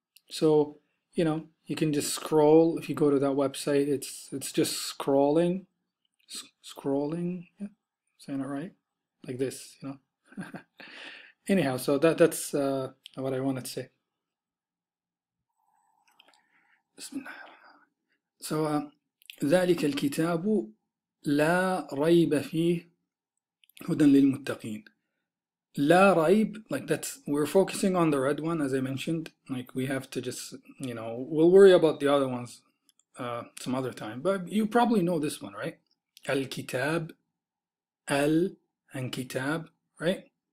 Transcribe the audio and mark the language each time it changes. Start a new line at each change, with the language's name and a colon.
English: So you know you can just scroll. If you go to that website, it's just scrolling, scrolling. Yeah, saying it right. Like this, you know. Anyhow, so that's what I wanted to say. Bismillah.
Arabic: سواء ذلك الكتاب لا ريب فيه هدى للمتقين. لا ريب,
English: like that's, we're focusing on the red one, as I mentioned, like we have to just, you know, we'll worry about the other ones some other time, but you probably know this one, right? Al-kitab, al and kitab, right?